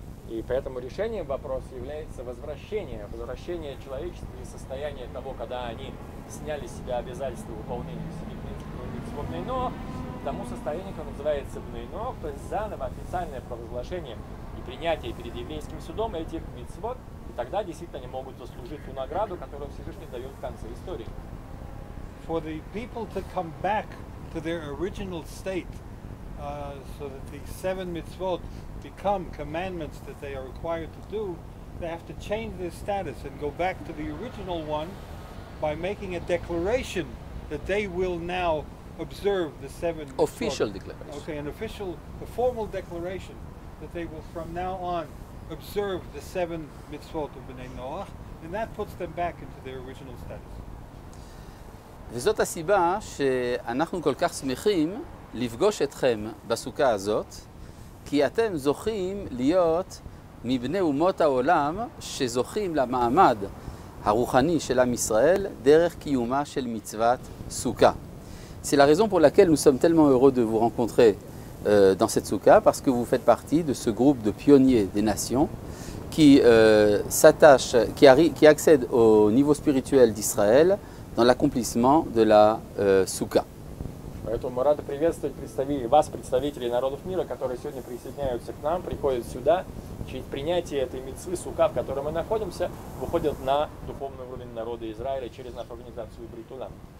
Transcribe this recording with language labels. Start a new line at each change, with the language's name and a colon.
French: Et pour cette
Russian: решение вопрос является возвращение, возвращение человечества и состояние того, когда они сняли с себя обязательство выполнения исполнения но к тому состоянию, которое называется Бней Ноах, то есть заново официальное провозглашение принятие перед еврейским судом этих мицвот, и тогда действительно они могут заслужить ту награду, которую Всевышний дает в конце истории.
English: For the people to come back to their original state, so that the seven mitzvot become commandments that they are required to do, they have to change their status and go back to the original one by making a declaration that they will now observe the seven mitzvot. Official declaration. Okay, an official, a formal declaration that they will from now on observe the seven mitzvot of Bnei Noach, and that puts them back into their original status.
Hebrew: וזאת הסיבה שאנחנו כל כך שמחים לפגוש אתכם בסוכה הזאת, כי אתם זוכים להיות מבני אומות העולם שזוכים למעמד הרוחני של עם ישראל דרך קיומה של מצוות סוכה.
French: C'est la raison pour laquelle nous sommes tellement heureux de vous rencontrer dans cette soukha, parce que vous faites partie de ce groupe de pionniers des nations qui s'attachent, qui accèdent au niveau spirituel d'Israël dans l'accomplissement de la soukha.
Russian: Поэтому мы рады приветствовать вас, представителей народов мира, которые сегодня присоединяются к нам, приходят сюда, через принятие этой мицвы сука, в которой мы находимся, выходят на духовный уровень народа Израиля через нашу организацию Брит Олам.